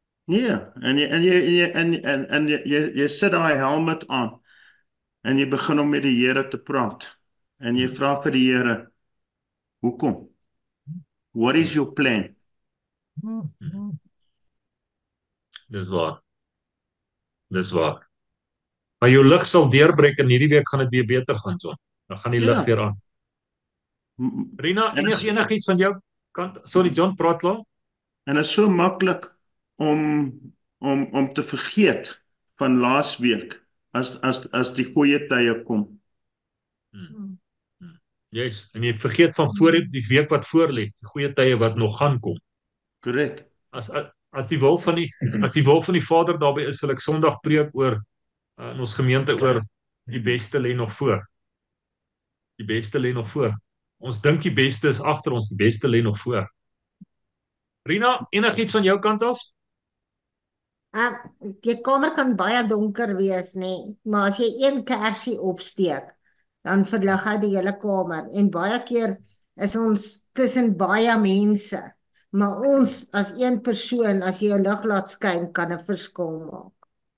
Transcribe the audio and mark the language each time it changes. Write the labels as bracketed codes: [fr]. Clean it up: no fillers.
[af] Nee, en jy sit daai helmet aan en jy begin om met die Here te praat en jy vra vir die Here, hoekom? [en] What is your plan? [af] Dis waar. Dis waar. Maar jou lig sal deurbreek en hierdie week gaan dit weer beter gaan, so. Dan gaan die lig weer aan. Rina, enig iets van jou kant? Sorry, John, praat lang. En is so maklik om te vergeet van laas week as die goeie tye kom. Yes, en jy vergeet van voor die week wat voor lê, die goeie tye wat nog gaan kom. Korrek. As die wil van die Vader daarby is, wil ek Sondag preek oor in ons gemeente oor die beste lê nog voor. Die beste lê nog voor. Ons dink die beste is agter ons, die beste lê nog voor. Rina, enigiets van jou kant af? Die kamer kan baie donker wees, nê, maar as jy een kersie opsteek, dan verlig hy die hele kamer. En baie keer is ons tussen baie mense, maar ons as een persoon, as jy jou lig laat skyn, kan 'n verskil maak.